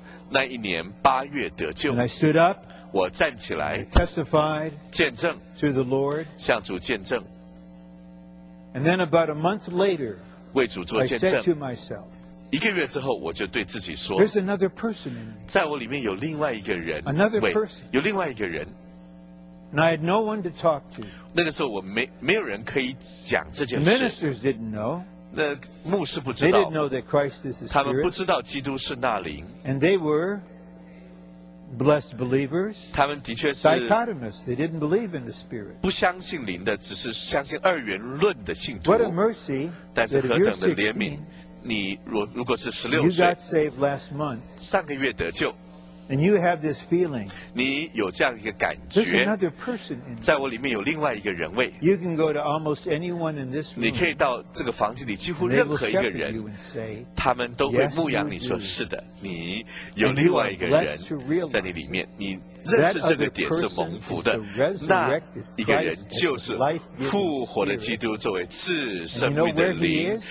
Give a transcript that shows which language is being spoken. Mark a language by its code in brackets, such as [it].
[zh] 那一年八月得救，我站起来见证，向主见证。 [en] And then about a month later, I said to myself, [zh] 一个月之后，我就对自己说， [en] There's another person in me. [zh] 在我里面有另外一个人， [en] Another person. [zh] 有另外一个人。 [en] And I had no one to talk to. [zh] 那个时候我没有人可以讲这件事。 [en] Ministers didn't know. [zh] 那牧师不知道。 [en] They didn't know that Christ is the Spirit. [zh] 他们不知道基督是那灵。 [en] And they were blessed believers. [zh] 他们的确是 [en] dichotomous. They didn't believe in the spirit. [zh] 不相信灵的，只是相信二元论的信徒。 [en] What a mercy! [zh] 但是何等的怜悯！你如果是十六岁 [en] ，You got saved last month. [zh] 上个月得救 [en] ，And you have this feeling. [zh] 你有这样一个感觉 [en] ，There's another person in. [zh] 在我里面有另外一个人位。 [en] You can go to almost anyone in this room. [zh] 你可以到这个房间里几乎任何一个人，他们都会牧养你说是的，你有另外一个人在你里面，你。认识这个点是蒙福的，那一个人就是复活的基督作为赐生命的灵。